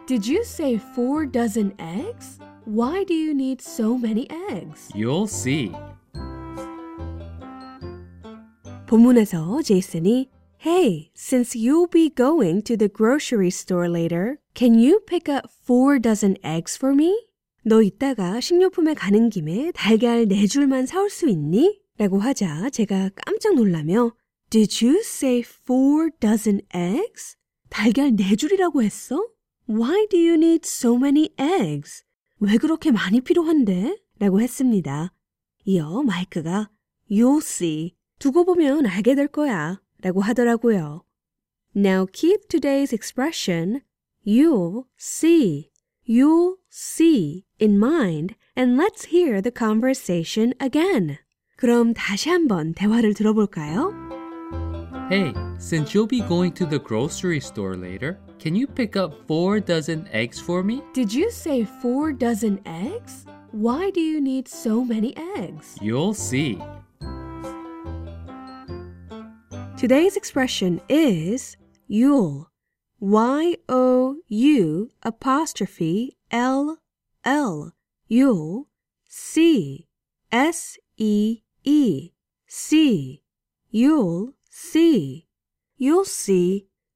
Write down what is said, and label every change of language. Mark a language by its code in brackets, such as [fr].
[en] Did you say 4 dozen eggs? Why do you need so many eggs? You'll see. [ko] 본문에서 제이슨이 [en] Hey, since you'll be going to the grocery store later, can you pick up 4 dozen eggs for me? [ko] 너 이따가 식료품에 가는 김에 달걀 네 줄만 사올 수 있니? 라고 하자 제가 깜짝 놀라며 [en] Did you say 4 dozen eggs? [ko] 달걀 네 줄이라고 했어? [en] Why do you need so many eggs? [ko] 왜 그렇게 많이 필요한데? 라고 했습니다. 이어 마이크가 [en] You'll see. [ko] 두고 보면 알게 될 거야 라고 하더라고요. [en] Now keep today's expression you'll see in mind and let's hear the conversation again. [ko] 그럼 다시 한번 대화를 들어볼까요? [en] Hey, since you'll be going to the grocery store later, can you pick up 4 dozen eggs for me? Did you say 4 dozen eggs? Why do you need so many eggs? You'll see. Today's expression is you'll, Y-O-U'll, you'll, see, S-E-E, see, you'll, see, you'll see.